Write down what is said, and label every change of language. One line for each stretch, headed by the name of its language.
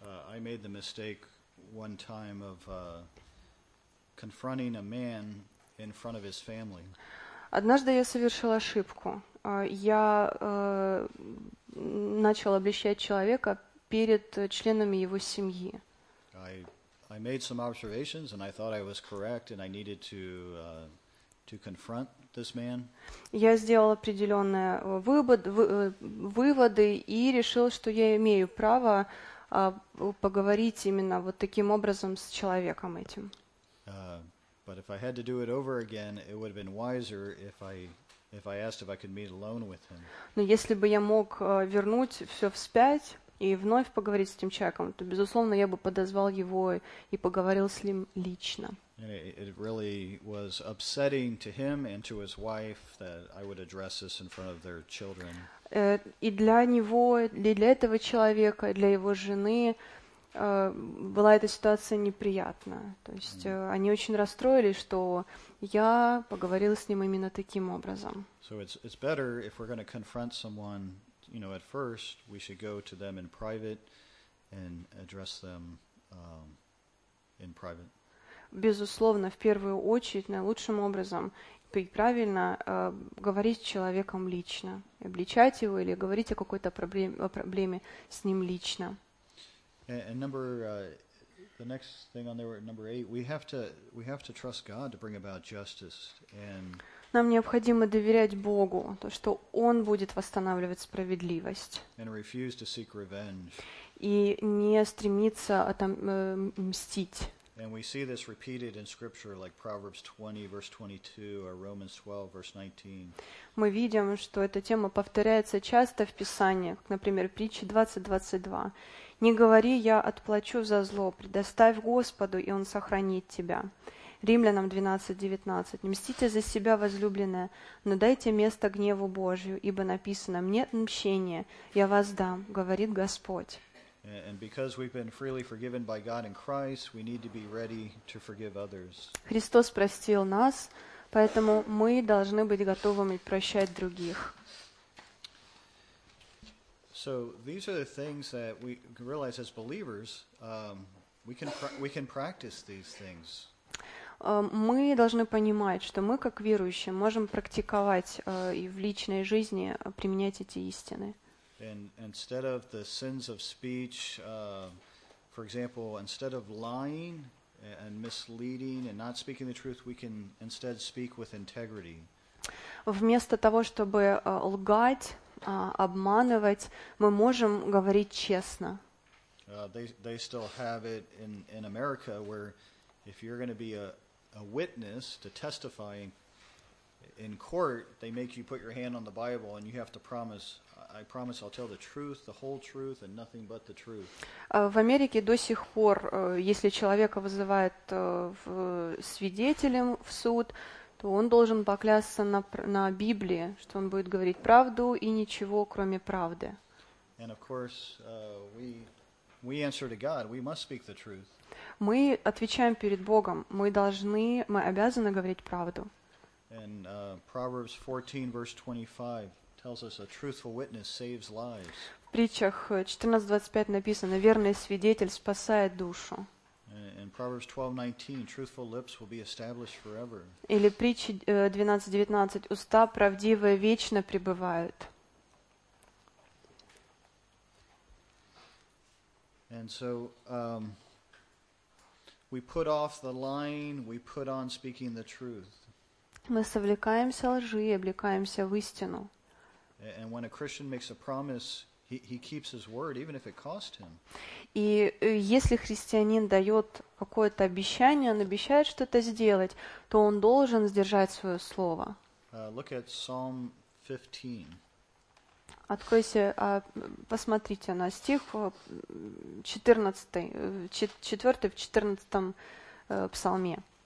English: I made the mistake one time of confronting a man in front of his family.
Russian: Однажды я совершил ошибку. Я начал обличать человека перед членами его семьи.
English: I made some observations and I thought I was correct and I needed to confront this man.
Russian: Я сделал определенные выводы и решил, что я имею право поговорить именно вот таким образом с человеком этим.
English: But if I had to do it over again, it would have been wiser if I asked if I could meet alone with him.
Russian: Но если бы я мог вернуть все вспять и вновь поговорить с этим человеком, то, безусловно, я бы подозвал его и поговорил с ним лично.
English: It really was upsetting to him and to his wife that I would address this in front of their children.
Russian: И для него, для этого человека, для его жены была эта ситуация неприятна. То есть они очень расстроились, что я поговорил с ним именно таким образом.
English: So it's better if we're going to confront someone, you know, at first, we should go to them in private and address them in private.
Russian: Безусловно, в первую очередь, наилучшим образом и правильно говорить с человеком лично, обличать его или говорить о какой-то проблеме с ним лично.
English: And number the next thing on there, number 8, we have to trust God to bring about justice. And
Russian: нам необходимо доверять Богу, то что Он будет восстанавливать справедливость.
English: And refuse to seek revenge.
Russian: И не стремиться мстить.
English: And we see this repeated in scripture, like Proverbs 20, verse 22, or Romans 12, verse 19.
Russian: Мы видим, что эта тема повторяется часто в Писании, например, притчи 20:22. Не говори, я отплачу за зло, предоставь Господу, и Он сохранит тебя. Римлянам 12:19. Мстите за себя, возлюбленные, но дайте место гневу Божию, ибо написано, мне мщение, я вас дам, говорит Господь.
English: And because we've been freely forgiven by God in Christ, we need to be ready to forgive others.
Russian: Христос простил нас, поэтому мы должны быть готовыми прощать других.
English: So these are the things that we realize as believers, we can practice these things.
Russian: Мы должны понимать, что мы, как верующие, можем практиковать и в личной жизни применять эти истины.
English: And instead of the sins of speech, for example, instead of lying and misleading and not speaking the truth, we can instead speak with integrity.
Russian: Вместо того, чтобы лгать, обманывать, мы можем говорить честно.
English: They still have it in America where if you're going to be a witness to testify in court, they make you put your hand on the Bible and you have to promise, I promise I'll tell the truth, the whole truth and nothing but the truth.
Russian: В Америке до сих пор, если человека вызывают свидетелем в суд, то он должен поклясться на Библии, что он будет говорить правду и ничего, кроме правды.
English: And of course, we answer to God, we must speak the truth.
Russian: Мы отвечаем перед Богом, мы обязаны говорить правду.
English: And Proverbs 14, verse 25 tells us a truthful witness saves lives.
Russian: В притчах 14:25 написано, верный свидетель спасает душу.
English: And Proverbs 12:19, truthful lips will be established forever.
Russian: Или притчи 12:19, уста правдивые вечно пребывают.
English: And so we put off the lying, we put on speaking the truth.
Russian: Мы совлекаемся лжи, облекаемся в истину.
English: And when a Christian makes a promise, he keeps his word, even if it cost him.
Russian: И если христианин дает какое-то обещание, он обещает что-то сделать, то он должен сдержать свое слово.
English: Look at Psalm 15.
Russian: Откройте, посмотрите на стих 14, 4 в 14 псалме.